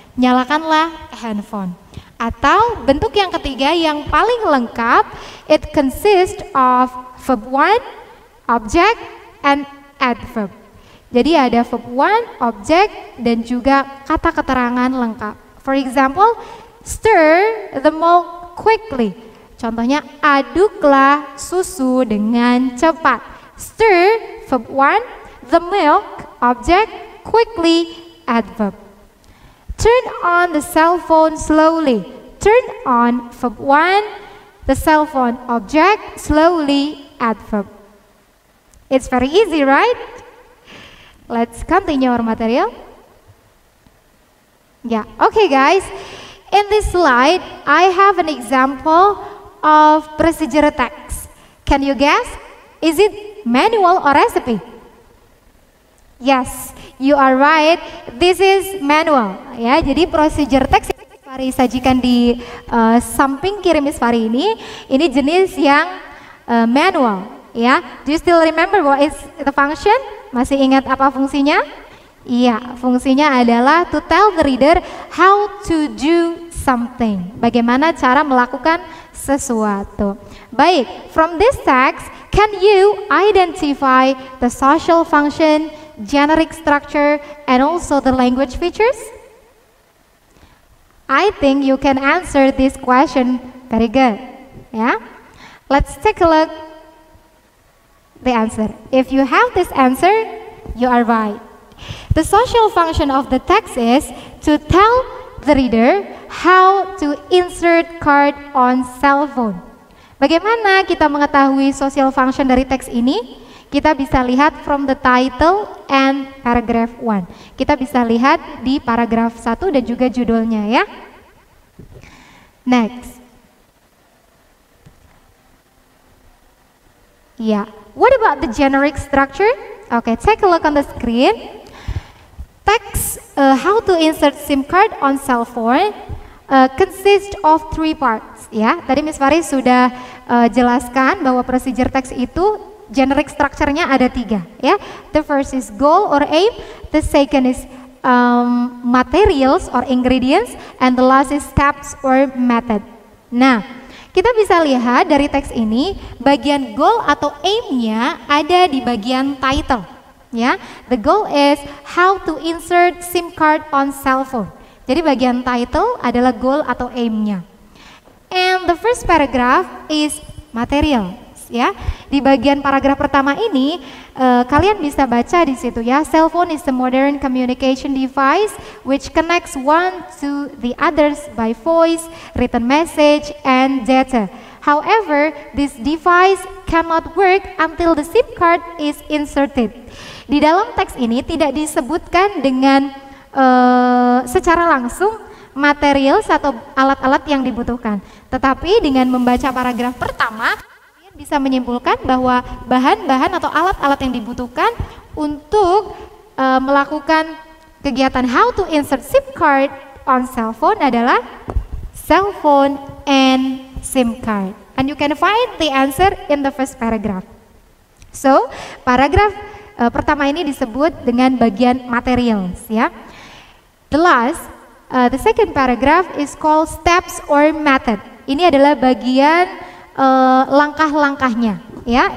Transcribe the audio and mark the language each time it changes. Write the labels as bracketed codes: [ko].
[id] Nyalakanlah handphone. [en] Atau bentuk yang ketiga yang paling lengkap, it consists of verb one, object, and adverb. [id] Jadi ada verb one, object, dan juga kata keterangan lengkap. [en] For example, stir the milk quickly. [id] Contohnya, aduklah susu dengan cepat. [en] Stir, verb one, the milk, object, quickly, adverb. Turn on the cell phone slowly. Turn on, verb one, the cell phone, object, slowly, adverb. It's very easy, right? Let's continue our material. Yeah, okay guys. In this slide, I have an example of procedure text. Can you guess? Is it manual or recipe? Yes, you are right. This is manual. [id] Ya, jadi procedure text yang Isfari sajikan di samping kiri Isfari ini jenis yang manual. [en] Ya, do you still remember what is the function? [id] Masih ingat apa fungsinya? Iya, fungsinya adalah [en] to tell the reader how to do something. [id] Bagaimana cara melakukan sesuatu. [en] Baik, from this text, can you identify the social function, generic structure, and also the language features? I think you can answer this question very good. Yeah? Let's take a look. The answer. If you have this answer, you are right. The social function of the text is to tell the reader how to insert card on cell phone. [id] Bagaimana kita mengetahui social function dari teks ini? Kita bisa lihat [en] from the title and paragraph 1. [id] Kita bisa lihat di paragraph 1 dan juga judulnya ya. [en] Next. Yeah. What about the generic structure? Okay, take a look on the screen. Text, how to insert SIM card on cell phone, consists of three parts. [id] Ya, tadi Miss Faris sudah jelaskan bahwa procedure text itu generic structure-nya ada tiga. [en] Ya, the first is goal or aim, the second is materials or ingredients, and the last is steps or method. [id] Nah, kita bisa lihat dari teks ini, bagian goal atau aim-nya ada di bagian title. [en] Ya, the goal is how to insert SIM card on cell phone. [id] Jadi bagian title adalah goal atau aim-nya. [en] And the first paragraph is material. [id] Ya, di bagian paragraf pertama ini, kalian bisa baca di situ ya, [en] cell phone is a modern communication device which connects one to the others by voice, written message, and data. However, this device cannot work until the SIM card is inserted. [id] Di dalam teks ini tidak disebutkan dengan secara langsung material atau alat-alat yang dibutuhkan. Tetapi dengan membaca paragraf pertama, bisa menyimpulkan bahwa bahan-bahan atau alat-alat yang dibutuhkan untuk melakukan kegiatan [en] how to insert SIM card on cell phone [id] adalah [en] cell phone and SIM card. And you can find the answer in the first paragraph. So, paragraph [id] pertama ini disebut dengan bagian material, ya. [en] The last, the second paragraph is called steps or method. [id] Ini adalah bagian langkah-langkahnya, ya.